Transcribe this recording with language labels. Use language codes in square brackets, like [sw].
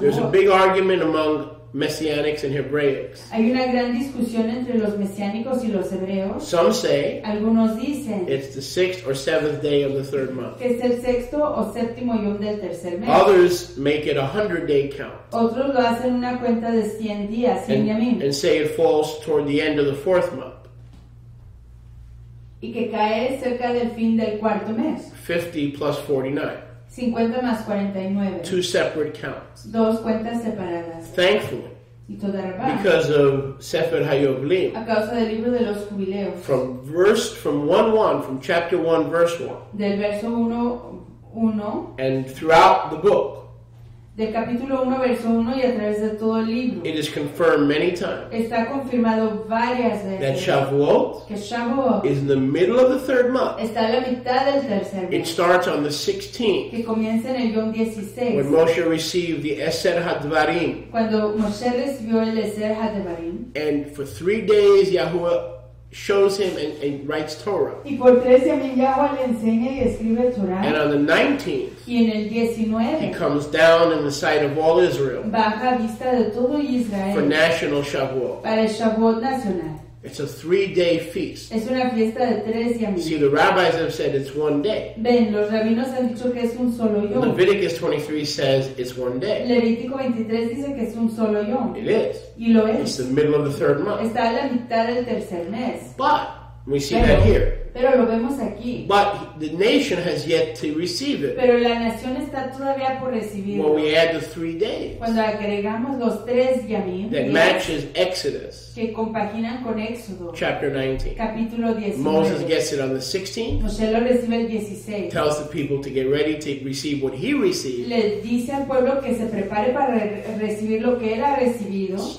[en] There's a big argument among Messianics and Hebraics. [es] Hay una gran discusión entre los mesiánicos y los hebreos. [en] Some say. [es] Algunos dicen. [en] It's the sixth or seventh day of the third month. [es] Que es el sexto o séptimo yom del tercer mes. [en] Others make it a 100-day count. [es] Otros lo hacen una cuenta de 100 días, 100 yamim. [en] And say it falls toward the end of the fourth month. [es] Y que cae cerca del fin del cuarto mes. [en] 50 plus 49. [es] 50 más 49. [en] Two separate counts. [es] Dos cuentas separadas. [en] Thankfully. [es] Y toda la paz. [en] Because of Sefer HaYoblim. [es] A causa del libro de los Jubileos. [en] From 1:1, from chapter 1, verse 1. [es] Del verso 1:1. [en] And throughout the book. [es] Del capítulo 1, verso 1 y a través de todo el libro. [en] It is confirmed many times. [es] Está confirmado varias veces. [en] That Shavuot. [es] Que Shavuot. [en] Is in the middle of the third month. [es] Está en la mitad del tercer mes. [en] It starts on the 16th. [es] Que comienza en el yom 16. [en] When Moshe received the Eser HaDvarim. [es] Cuando Moshe recibió el Eser HaDvarim. [en] And for 3 days Yahuwah shows him and writes Torah. [es] Y por 13 días Yahuwah le enseña y escribe Torah. [en] And on the 19th. [es] Y en el 19, [en] he comes down in the sight of all Israel. [es] Baja vista de todo Israel. [en] For national Shavuot. [es] Para el Shavuot nacional. [en] It's a 3-day feast. [es] Es una fiesta de 3 días. [en] See, the rabbis have said it's 1 day. [es] Ven, los rabinos han dicho que es un solo yom. [en] Leviticus 23 says it's 1 day. [es] Levítico 23 dice que es un solo yom. [en] It is. [es] Y lo es. [en] It's the middle of the third month. [es] Está a la mitad del tercer mes. [en] But we see that here. [es] Pero lo vemos aquí. [en] But the nation has yet to receive it. [es] Pero la nación está todavía por recibirlo. [en] When we add the 3 days. [es] Cuando agregamos los 3 yamim. [en] That matches Exodus. [es] Que compaginan con Éxodo. [en] Chapter 19. [es] Capítulo 19. [en] Moses gets it on the 16th. [es] José lo recibe el 16. [en] Tells the people to get ready to receive what he received. [es] Le dice al pueblo que se prepare para recibir lo que él ha recibido.